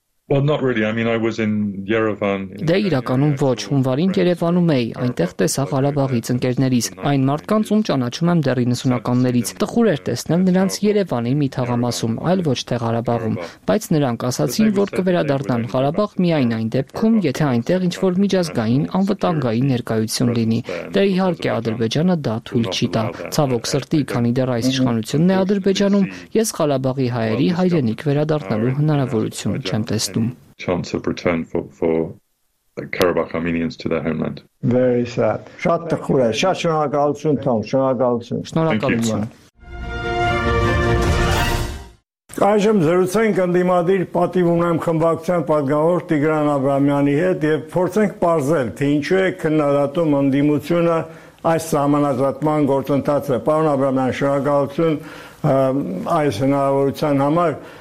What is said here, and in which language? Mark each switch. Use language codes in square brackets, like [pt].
[en] Well, not really. I mean, I was in Yerevan. [hy] Դե իրականում ոչ, հունվարին Երևանում էի, այնտեղ տեսա Ղարաբաղից ընկերներիս, այն մարդկանց, ում ճանաչում եմ դեռ 90-ականներից։ Տխուր էր տեսնել նրանց Երևանի մի թաղամասում, այլ ոչ թե Ղարաբաղում, բայց նրանք ասացին, որ կվերադառնան Ղարաբաղ միայն այն դեպքում, եթե այնտեղ ինչ-որ միջազգային անվտանգային ներկայություն լինի։ Դե իհարկե Ադրբեջանը դա թույլ չի տա։ Ցավոք սրտի, քանի դեռ այս իշխանությունն է Ադրբեջանում, ես Ղարաբաղի հայերի հայրենիք վերադառնալու հնարավորություն չեմ տեսնում։ [en] Chance of return for Karabakh Armenians to their homeland. Very sad. [hy] Շատ տխուր է, շատ շնորհակալություն, Թոմ, շնորհակալություն։ Շնորհակալություն։ Այժմ զրուցենք ընդդիմադիր պատիվ ունեմ խմբակցության պատգամավոր Տիգրան Աբրամյանի հետ և փորձենք պարզել, թե ինչու է քննադատում ընդդիմությունը այս համանախատման գործընթացը։ Պարոն Աբրամյան, շնորհակալություն այս հնարավորության համար։